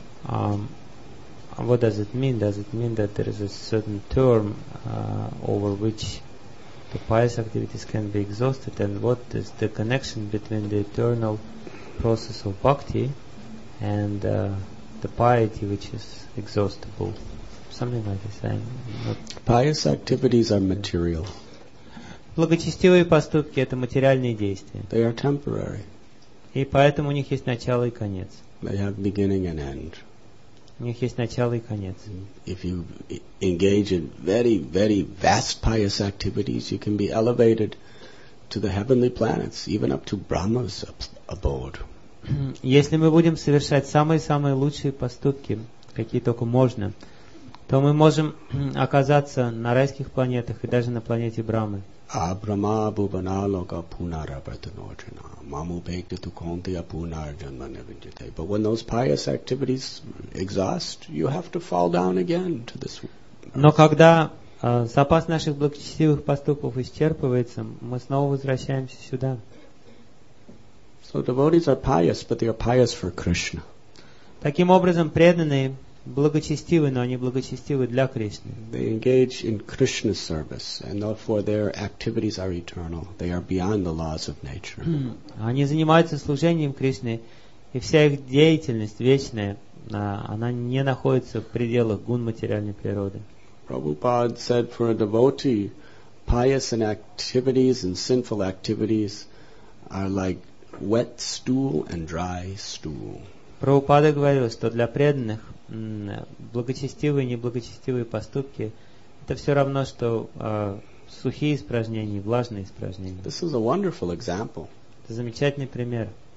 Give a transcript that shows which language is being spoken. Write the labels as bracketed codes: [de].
[en] What does it mean? Does it mean that there is a certain term over which the pious activities can be exhausted? And what is the connection between the eternal process of bhakti and the piety which is exhaustible? Something like this. Pious activities are material. [ru] Благочестивые поступки — это материальные действия. [en] They are temporary. [ru] И поэтому у них есть начало и конец. [en] They have beginning and end. [ru] У них есть начало и конец. [en] If you engage in very, very vast pious activities, you can be elevated to the heavenly planets, even up to Brahma's abode. [ru] Если мы будем совершать самые-самые лучшие поступки, какие только можно, то мы можем оказаться на райских планетах и даже на планете Брахмы. [sa] Абрама бубана лока пунара бртаноджана маму бхекти туконти апунар джанма невиджите. [en] But when those pious activities exhaust, you have to fall down again to this earth. [ru] Но когда запас наших благочестивых поступков исчерпывается, мы снова возвращаемся сюда. [en] So devotees are pious, but they are pious for Krishna. [ru] Таким образом, преданные благочестивы, но они благочестивы для Кришны. [en] They engage in Krishna service, and therefore their activities are eternal. They are beyond the laws of nature. [ru] Они занимаются служением Кришны, и вся их деятельность вечная, она не находится в пределах гун материальной природы. [en] Prabhupada said for a devotee, pious and activities and sinful activities are like wet stool and dry stool. [ru] Прабхупада говорил, что для преданных благочестивые и неблагочестивые поступки это все равно, что сухие испражнения и влажные испражнения. [en] This is a wonderful example. [ru] Это замечательный пример.